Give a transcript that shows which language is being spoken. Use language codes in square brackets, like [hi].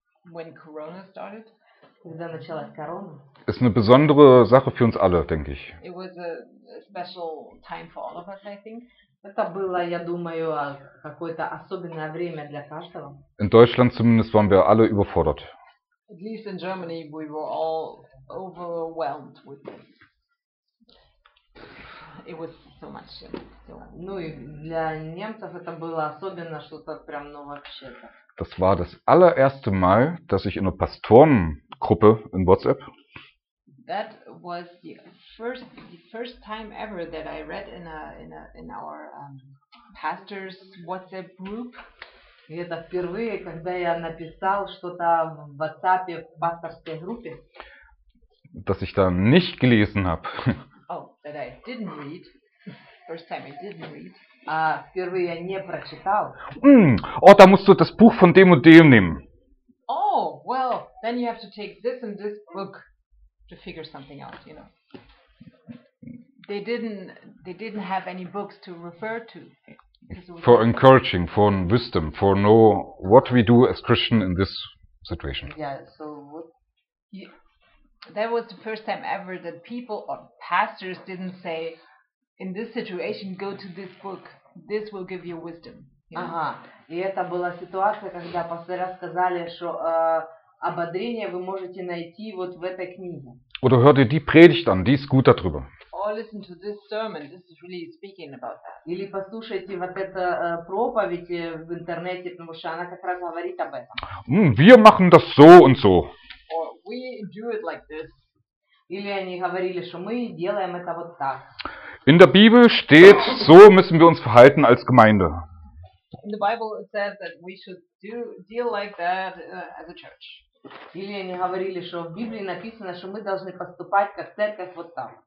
[en] When Corona started? [ru] Когда началась Corona? [de] Ist eine besondere Sache für uns alle, denke ich. [en] It was a special time for all of us, I think. [ru] Это было, я думаю, какое-то особенное время для каждого. [de] In Deutschland zumindest waren wir alle überfordert. [en] At least in Germany we were all overwhelmed with this. It was so much. [ru] Ну и для немцев это было особенно что-то прям, ну вообще-то. [de] Das war das allererste Mal, dass ich in einer Pastorengruppe in WhatsApp. [en] That was the first time ever that I read in our pastors WhatsApp group. [ru] И это впервые, когда я написал что-то в WhatsApp в пасторской группе. [de] Dass ich da nicht gelesen habe. [en] Oh, that I didn't read. First time I didn't read. [ru] Впервые я не прочитал. [de] Oh, da musst du das Buch von dem und dem nehmen. [en] Oh, well, then you have to take this and this book to figure something out, you know. They didn't have any books to refer to. For encouraging, for wisdom, for know what we do as Christian in this situation. Yeah, so what... That was the first time ever that people or pastors didn't say, in this situation, go to this book. This will give you wisdom. You know? [ru] Ага. И это была ситуация, когда пастора сказали, что ободрение вы можете найти вот в этой книге. [de] Oder hör dir die Predigt an, die ist gut darüber. [en] Or listen to this sermon, this is really speaking about that. [ru] Или послушайте вот эту проповедь в интернете, потому что она как раз говорит об этом. [de] Wir machen das so und so. [en] We do it like this. [ru] Или они говорили, что мы делаем это вот так. [de] In der Bibel steht, so müssen wir uns verhalten als Gemeinde. [en] In the Bible it says that we should deal like that as a church. [ru] Или они говорили, что в Библии написано, что мы должны поступать как церковь вот так.